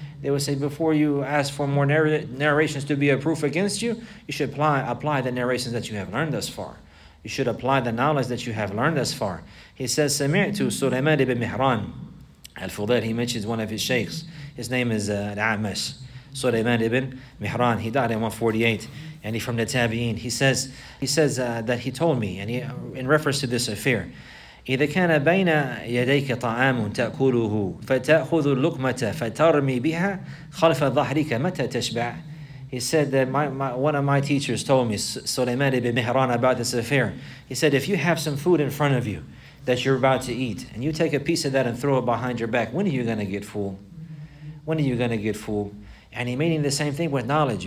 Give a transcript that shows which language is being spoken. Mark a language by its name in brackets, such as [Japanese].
[English] They would say, before you ask for more narrations to be a proof against you, you should apply the narrations that you have learned thus far. You should apply the knowledge that you have learned thus far. He says, "Sami'tu Sulaiman ibn Mihran al-Fudail." He mentions one of his sheikhs. His name is Al-A'mash. Sulaiman ibn Mihran. He died in 148. And he's from the Tabi'een. He says that he told me, and he, in reference to this affair, [Arabic] إِذَا كَانَ بَيْنَ يَدَيْكَ طَعَامٌ تَأْكُلُهُ فَتَأْخُذُ اللُّقْمَةَ فَتَرْمِي بِهَا خَلْفَ ظَهْرِكَ مَتَى تَشْبَعُ. [English] He said that one of my teachers told me, Sulaiman ibn Mihran, about this affair. He said, if you have some food in front of you that you're about to eat, and you take a piece of that and throw it behind your back, when are you going to get full? When are you going to get full? And he meaning the same thing with knowledge.